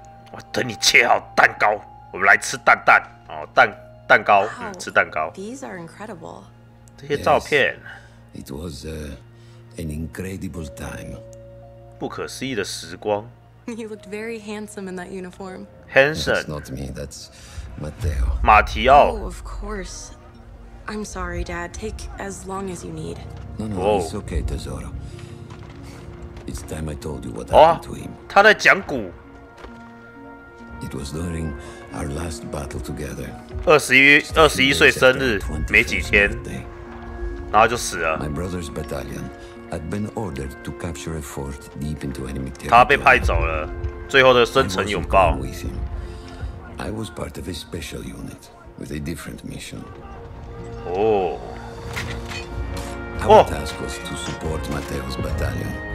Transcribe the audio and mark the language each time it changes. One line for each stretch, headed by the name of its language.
Chinese: 我等你切好蛋糕，我们来吃蛋糕，吃蛋糕。
English: These are incredible.
Chinese: 这些照片。
English: Yes, it was an incredible time.
Chinese: 不可思议的时光。
English: You looked very handsome in that uniform. Handsome. That's not me. That's Matteo.
Chinese: 马提奥。
English: Oh, of course. I'm sorry, Dad. Take as long as you need. No, it's okay, Tesoro. It's time I told you what happened to him.
Chinese: 他在讲古。
English: It was during our last battle together.
Chinese: 21岁生日没几天，然后就死了。
English: My brother's battalion had been ordered to capture a fort deep into enemy territory.
Chinese: 他被派走了，最后的深沉拥抱。
English: I was part of a special unit with a different mission. Our task was to support Matteo's battalion.